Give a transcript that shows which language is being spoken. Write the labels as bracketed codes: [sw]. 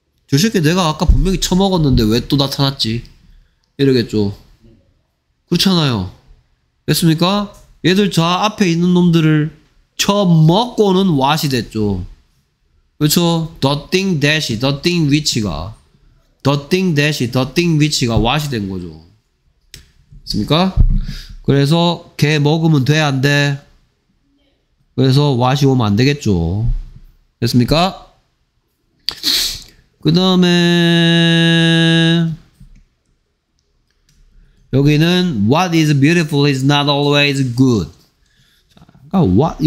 [ko] 저 새끼 내가 아까 분명히 처먹었는데 왜 또 나타났지? 이러겠죠. 그렇잖아요. 됐습니까? 얘들 저 앞에 있는 놈들을 처먹고는 what이 됐죠. 그렇죠? [en] The thing that, the thing which가 the thing that, the thing which가 what이 [ko] 된 거죠. 됐습니까? 그래서 걔 먹으면 돼, 안 돼? 그래서 what이 오면 안 되겠죠. 됐습니까? 그 다음에 여기는 [en] what is beautiful is not always good. 아, what?